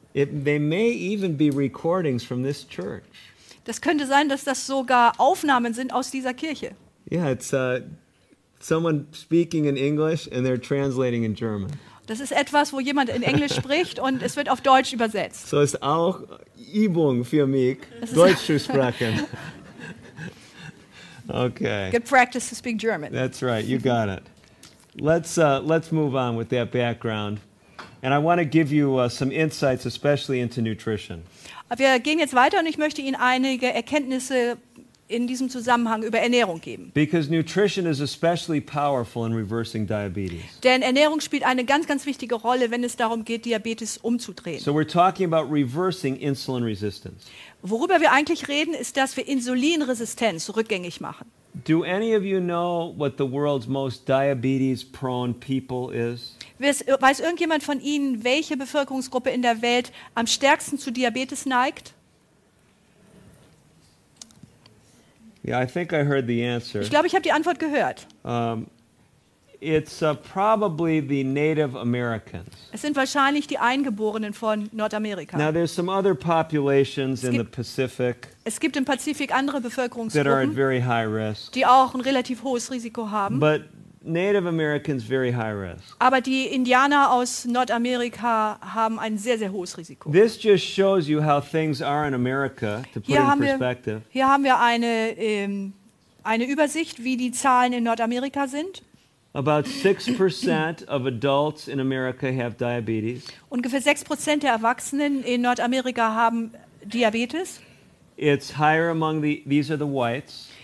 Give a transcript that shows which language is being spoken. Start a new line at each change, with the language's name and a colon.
English: They may even be recordings from this church.
German: Das könnte sein, dass das sogar Aufnahmen sind aus dieser Kirche.
English: Yeah, it's someone speaking in English and they're translating in German.
German: Das ist etwas, wo jemand in Englisch spricht und es wird auf Deutsch übersetzt. So ist auch Übung für mich, Deutsch zu sprechen.
English: Okay. Good practice to speak German. That's right, you got it. Let's move on with that background. And I want to give you some insights, especially into nutrition.
German: Wir gehen jetzt weiter und ich möchte Ihnen einige Erkenntnisse in diesem Zusammenhang über Ernährung geben.
English: Because nutrition is especially powerful in reversing diabetes.
German: Denn Ernährung spielt eine ganz, ganz wichtige Rolle, wenn es darum geht, Diabetes umzudrehen.
English: So we're talking about reversing insulin resistance.
German: Worüber wir eigentlich reden, ist, dass wir Insulinresistenz rückgängig machen.
English: Do any of you know what the world's most diabetes-prone people is?
German: Weiß irgendjemand von Ihnen, welche Bevölkerungsgruppe in der Welt am stärksten zu Diabetes neigt?
English: Yeah, I think I heard the answer.
German: Ich glaube, ich habe die Antwort gehört.
English: It's probably the Native Americans.
German: Es sind wahrscheinlich die Eingeborenen von Nordamerika.
English: Now there's some other populations in the Pacific.
German: Es gibt im Pazifik andere Bevölkerungsgruppen.
English: That are at very high risk.
German: Die auch ein relativ hohes Risiko haben.
English: But Native Americans very high risk.
German: Aber die Indianer aus Nordamerika haben ein sehr, sehr hohes Risiko.
English: This just shows you how things are in America, to put it in perspective.
German: Hier haben wir eine Übersicht, wie die Zahlen in Nordamerika sind.
English: About 6% of adults in America have diabetes.
German: Ungefähr 6% der Erwachsenen in Nordamerika haben Diabetes.
English: It's higher among these are the whites.